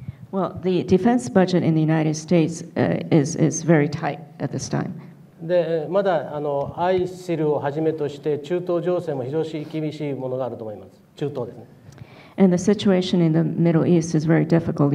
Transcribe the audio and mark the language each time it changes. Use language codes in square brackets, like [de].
[en] Well, the defense budget in the United States is very tight at this time. [ja] で、まだICILをはじめとして中東情勢も非常に厳しいものがあると思います。中東ですね。And [en] the situation in the Middle East is very difficult.